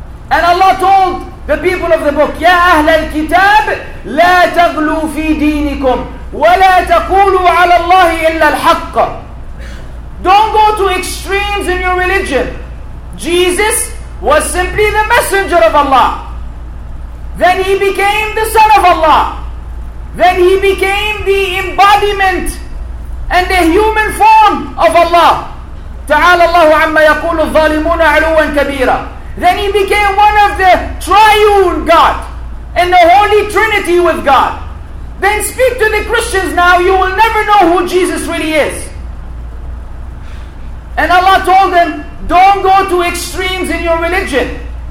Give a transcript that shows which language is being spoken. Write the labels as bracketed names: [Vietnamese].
[English] And Allah told the people of the book, [Arabic] يَا أَهْلَ الْكِتَابِ لَا تَغْلُوا فِي دِينِكُمْ وَلَا تَقُولُوا عَلَى اللَّهِ إِلَّا الْحَقَّ. [English] Don't go to extremes in your religion. Jesus was simply the messenger of Allah. Then he became the son of Allah. Then he became the embodiment and the human form of Allah. [Arabic] تعالى الله عما يقول الظالمون علوا كبيرا. [English] Then he became one of the triune God and the Holy Trinity with God. Then speak to the Christians now, you will never know who Jesus really is. And Allah told them, don't go to extremes in your religion.